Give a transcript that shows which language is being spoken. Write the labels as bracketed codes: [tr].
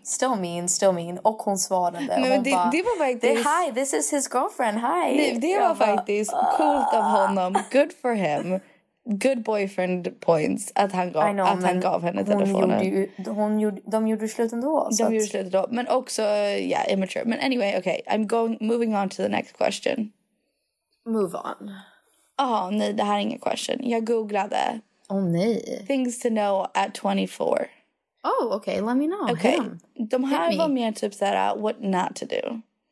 [en] Still mean, still mean. [sv] Och hon svarade. Nej, hon det, bara, det var faktiskt... [en] Hi, this is his girlfriend, hi. [sv] Nej, det jag var bara, faktiskt coolt av honom. [en] Good for him. Good boyfriend points [sv] att han gav, know, att han gav henne telefonen. De gjorde slut ändå. Men också, [en] yeah, immature. Men anyway, okay, I'm going, moving on to the next question. Move on. [sv] Oh, nej, det här är ingen question. Jag googlade. Oh, nej. [en] Things to know at 24. Oh, okay, let me know. Okay. Him. [sv] De här var mer typ såhär, [en] what not to do.